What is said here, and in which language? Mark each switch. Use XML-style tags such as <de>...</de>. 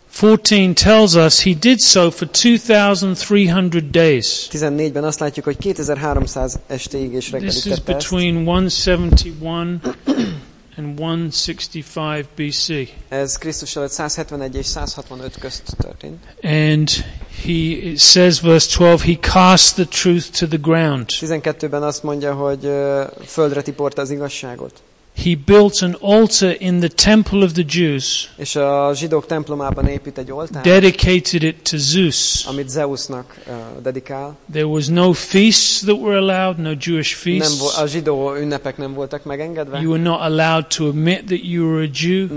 <en>14 tells us he did so for 2300 days.</en> <hu>14-ben azt látjuk, hogy 2300 estéig is reggelig tette.</hu> <en>This is between 171 and 165 BC.</en> <hu>Ez Krisztus előtt 171 és 165 közt történt.</hu> <en>And he it says verse 12 he cast the truth to the ground.</en> <hu>12-ben azt mondja, hogy földre tiporta az igazságot.</hu> <en>He built an altar in the temple of the Jews.</en> <hu>És a zsidók templomában épít egy oltárt.</hu> <en>Dedicated it to Zeus.</en> <hu>Amit Zeusnak dedikál.</hu> <en>There was no feasts that were allowed, no Jewish feasts.</en> <hu>Nem, a zsidó ünnepek nem voltak megengedve.</hu> <en>You were not allowed to admit that you were a Jew.</en>